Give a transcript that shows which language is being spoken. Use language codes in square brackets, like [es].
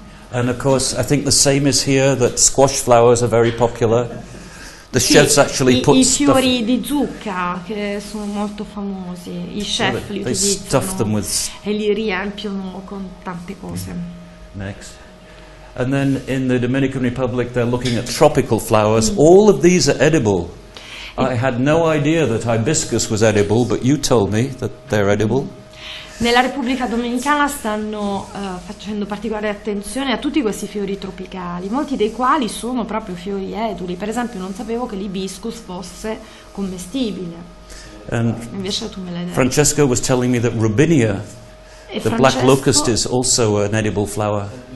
[en] And of course, I think the same is here, that squash flowers are very popular. The chefs actually put [it] I fiori di zucca, che sono molto famosi. I chef li utilizzano e li riempiono con tante cose. [en] Next. And then in the Dominican Republic, they're looking at tropical flowers. All of these are edible. I had no idea that hibiscus was edible, but you told me that they're edible. [it] Nella Repubblica Dominicana stanno facendo particolare attenzione a tutti questi fiori tropicali, molti dei quali sono proprio fiori eduli. Per esempio, non sapevo che l'ibiscus fosse commestibile. [en] And [it] invece tu me l'hai detto. [en] Francesco was telling me that rubinia, the black locust, is also an edible flower.